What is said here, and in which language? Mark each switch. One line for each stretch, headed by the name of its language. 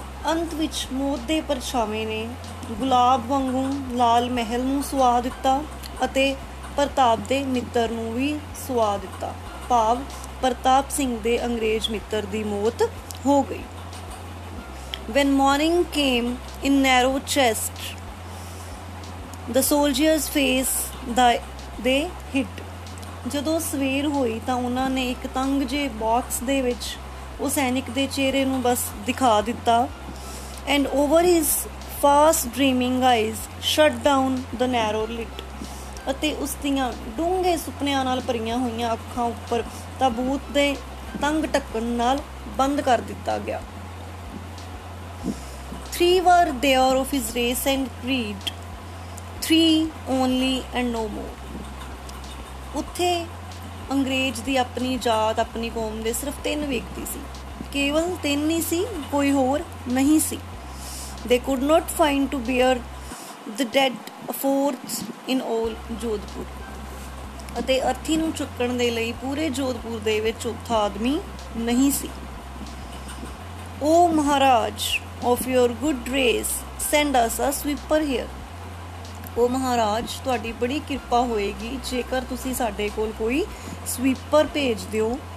Punjabi: ਅੰਤ ਵਿੱਚ ਮੌਤ ਦੇ ਪਰਛਾਵੇਂ ਨੇ ਗੁਲਾਬ ਵਾਂਗੂੰ ਲਾਲ ਮਹਿਲ ਨੂੰ ਸੁਆ ਦਿੱਤਾ ਅਤੇ ਪ੍ਰਤਾਪ ਦੇ ਮਿੱਤਰ ਨੂੰ ਵੀ ਸੁਆ ਦਿੱਤਾ, ਭਾਵ ਪ੍ਰਤਾਪ ਸਿੰਘ ਦੇ ਅੰਗਰੇਜ਼ ਮਿੱਤਰ ਦੀ ਮੌਤ ਹੋ ਗਈ.
English: When morning came in narrow chest, the soldier's face they hid.
Punjabi: ਜਦੋਂ ਸਵੇਰ ਹੋਈ ਤਾਂ ਉਹਨਾਂ ਨੇ ਇੱਕ ਤੰਗ ਜੇ ਬਾਕਸ ਦੇ ਵਿੱਚ ਉਹ ਸੈਨਿਕ ਦੇ ਚਿਹਰੇ ਨੂੰ ਬਸ ਦਿਖਾ ਦਿੱਤਾ.
English: And over his fast dreaming eyes shut down the narrow lit.
Punjabi: ਅਤੇ ਉਸ ਦੀਆਂ ਡੂੰਘੇ ਸੁਪਨਿਆਂ ਨਾਲ ਭਰੀਆਂ ਹੋਈਆਂ ਅੱਖਾਂ ਉੱਪਰ ਤਾਬੂਤ ਦੇ ਤੰਗ ਢੱਕਣ ਨਾਲ ਬੰਦ ਕਰ ਦਿੱਤਾ ਗਿਆ.
English: Three were there of his race and creed, three only and no more.
Punjabi: ਉੱਥੇ ਅੰਗਰੇਜ਼ ਦੀ ਆਪਣੀ ਜਾਤ ਆਪਣੀ ਕੌਮ ਦੇ ਸਿਰਫ ਤਿੰਨ ਵਿਅਕਤੀ ਸੀ, ਕੇਵਲ ਤਿੰਨ ਹੀ ਸੀ, ਕੋਈ ਹੋਰ ਨਹੀਂ ਸੀ.
English: They could not find to bear the dead fourth in all Jodhpur.
Punjabi: ਅਤੇ ਅਰਥੀ ਨੂੰ ਚੁੱਕਣ ਦੇ ਲਈ ਪੂਰੇ ਜੋਧਪੁਰ ਦੇ ਵਿੱਚ ਚੌਥਾ ਆਦਮੀ ਨਹੀਂ ਸੀ.
English: O Maharaj of your good race send us a sweeper here.
Punjabi: ਉਹ ਮਹਾਰਾਜ ਤੁਹਾਡੀ ਬੜੀ ਕਿਰਪਾ ਹੋਏਗੀ ਜੇਕਰ ਤੁਸੀਂ ਸਾਡੇ ਕੋਲ ਕੋਈ ਸਵੀਪਰ ਭੇਜ ਦਿਓ।